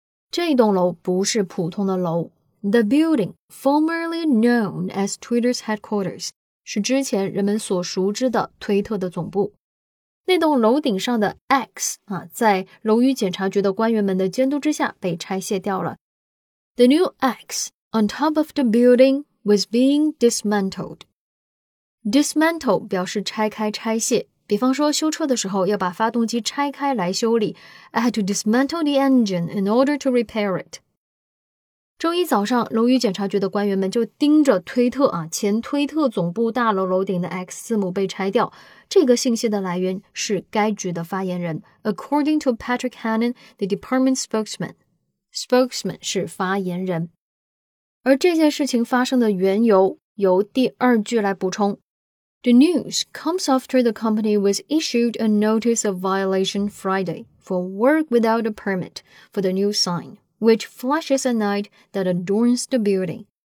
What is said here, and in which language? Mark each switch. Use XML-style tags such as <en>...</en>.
<zh>这栋楼不是普通的楼。</zh> <en>The building, formerly known as Twitter's headquarters,</en> <zh>是之前人们所熟知的推特的总部。那栋楼顶上的 X 啊，在楼宇检查局的官员们的监督之下被拆卸掉了。</zh> <en>The new X on top of the building was being dismantled.</en> <zh>Dismantle 表示拆开拆卸，比方说修车的时候要把发动机拆开来修理。</zh> <en>I had to dismantle the engine in order to repair it.</en> <zh>周一早上，楼宇检查局的官员们就盯着推特啊，前推特总部大楼楼顶的 X 字母被拆掉。这个信息的来源是该局的发言人 ，</zh> <en>According to Patrick Hannon, the department spokesman.</en> <zh>Spokesman 是发言人。而这件事情发生的缘由，由第二句来补充。</zh> <en>The news comes after the company was issued a notice of violation Friday for work without a permit for the new sign, which flashes a night that adorns the building.</en>